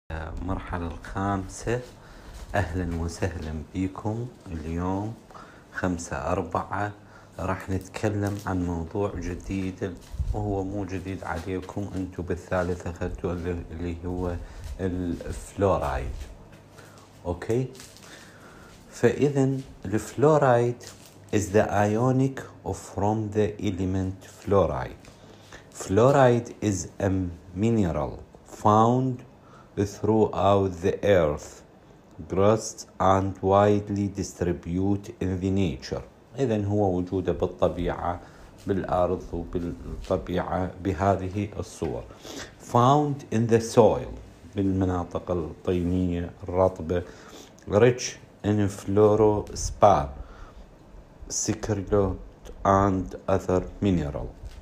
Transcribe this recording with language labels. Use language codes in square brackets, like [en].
[ar] المرحلة الخامسة، أهلا وسهلا بكم. اليوم 5/4 راح نتكلم عن موضوع جديد، وهو مو جديد عليكم، أنتم بالثالثة أخذتوا، اللي هو الفلورايد. أوكي، فإذا الفلورايد [en] is the ionic from the element fluoride. Fluoride is a mineral found throughout the earth crust and widely distributed in the nature. [ar] إذن هو وجوده بالطبيعة، بالأرض وبالطبيعة بهذه الصور. [en] Found in the soil [ar] بالمناطق الطينية الرطبة. [en] Rich in fluorospar, secret and other mineral.